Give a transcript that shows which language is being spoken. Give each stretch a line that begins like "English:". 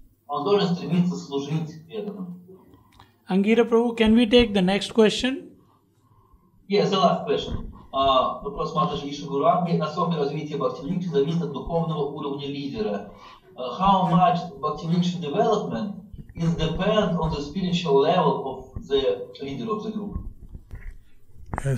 English: Angira Prabhu, can we take the next question? Yes, the last question.
Russian: Вопрос Матаджи Иши Гуру Анги. Насколько развитие Бхакти-Вриксы зависит от духовного уровня лидера?
English: How much Bhakti-Vriksha development is depend on the spiritual level of the leader of the group?